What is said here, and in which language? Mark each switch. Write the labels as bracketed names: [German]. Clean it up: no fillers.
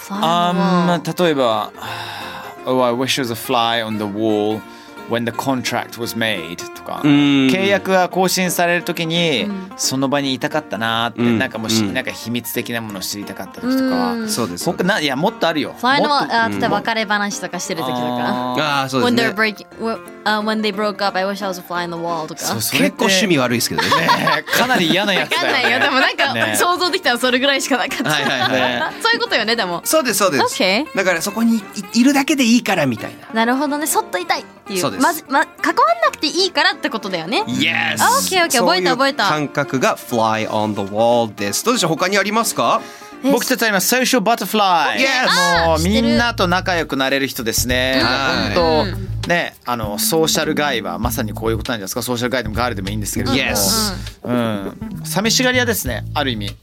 [Japanese] 例えば、 [English] Oh, I wish I was a fly on the wall when the contract was made [Japanese] とか、契約が更新されるときにその場にいたかったなって、なんかもし、なんか秘密的なものを知りたかったときとかは、そうです。そうです。いやもっとあるよ。 Fly の例えば別れ話とかしてるときとか。ああそうですね。 [English] When they broke up, I wish I was a fly on the wall [Japanese] とか。結構趣味悪いですけどね。かなり嫌なやつだよ、ね。分かんないよ。でもなんか想像できたらそれぐらいしかなかった。はいはいはい、そういうことよね。でも。そうですそうです。 [English] Okay. [Japanese] だからそこに いるだけでいいからみたいな。なるほどね。そっといたいっていう。そうです。ま関わんなくていいからってことだよね。 [English] Yes. OK OK [Japanese] 覚えた覚えた。覚えた覚えた。感覚が [English] fly on the wall [Japanese] です。どうでしょう。他にありますか。僕たちは今ソーシャルバタフライ。 [English] Yes. [Japanese] もうみんなと仲良くなれる人ですね。はい。本当。ね、あのソーシャルガイはまさにこういうことなんですか。ソーシャルガイでもガールでもいいんですけど、 [English] yes. [Japanese] うんうん、寂しがり屋ですね、ある意味。